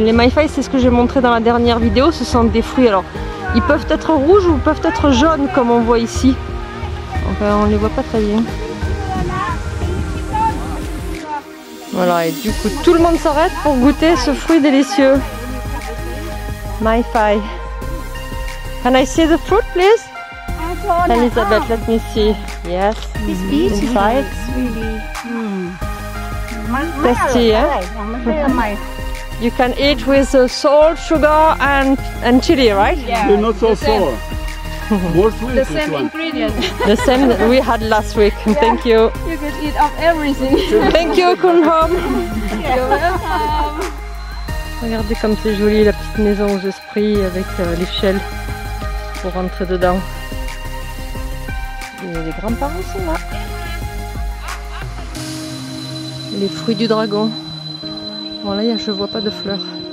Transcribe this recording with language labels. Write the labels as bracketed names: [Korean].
[French] Les Maifai, c'est ce que j'ai montré dans la dernière vidéo, ce sont des fruits. Alors, ils peuvent être rouges ou peuvent être jaunes, comme on voit ici. Enfin, on ne les voit pas très bien. Voilà, et du coup, tout le monde s'arrête pour goûter ce fruit délicieux. Maifai. [English] Can I see the fruit, please? Elizabeth, let me see. Yes. This beach is really... Tasty, eh? You can eat with salt, sugar, and chili, right? Yeah. Not so salt. More sweet. The same ingredient. The same that we had last week. Yeah. Thank you. You can eat up everything. Thank you, Kun Hom. You're welcome. [French] Regardez comme c'est joli la petite maison aux esprits avec l'échelle pour rentrer dedans. Et les grands-parents sont là. Les fruits du dragon. Bon là, je vois pas de fleurs.